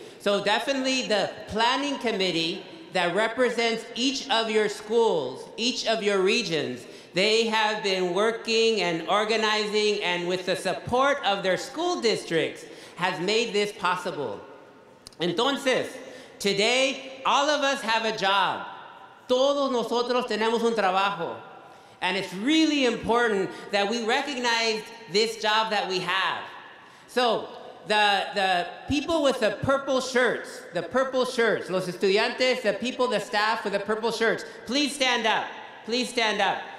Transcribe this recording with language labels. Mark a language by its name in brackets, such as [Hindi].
[English] So definitely the planning committee that represents each of your schools, each of your regions, they have been working and organizing and with the support of their school districts has made this possible. Entonces, today, all of us have a job. [Spanish] Todos nosotros tenemos un trabajo. [English] And it's really important that we recognize this job that we have. So the people with the purple shirts, [Spanish] los estudiantes, [English] the people, the staff with the purple shirts, please stand up. Please stand up.